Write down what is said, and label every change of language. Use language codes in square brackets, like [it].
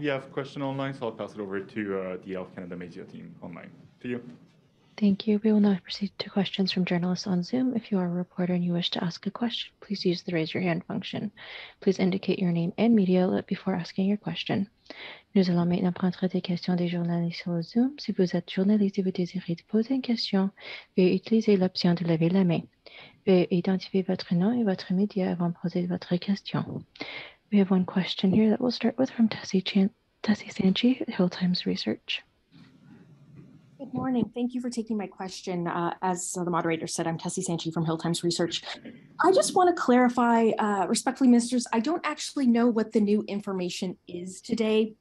[en] We have a question online, so I'll pass it over to the Health Canada media team online. To you. Thank you. We will now proceed to questions from journalists on Zoom. If you are a reporter and you wish to ask a question, please use the raise your hand function. Please indicate your name and media outlet before asking your question. [fr] Nous allons maintenant prendre des questions des journalistes sur Zoom. Si vous êtes journaliste et vous désirez poser une question, veuillez utiliser l'option de lever la main. Veuillez identifier votre nom et votre média avant de poser votre question. [en] We have one question here that we'll start with from Tessie Sanchi, Hill Times Research. Good morning. Thank you for taking my question. As the moderator said, I'm Tessie Sanchi from Hill Times Research. I just want to clarify, respectfully, ministers, I don't actually know what the new information is today.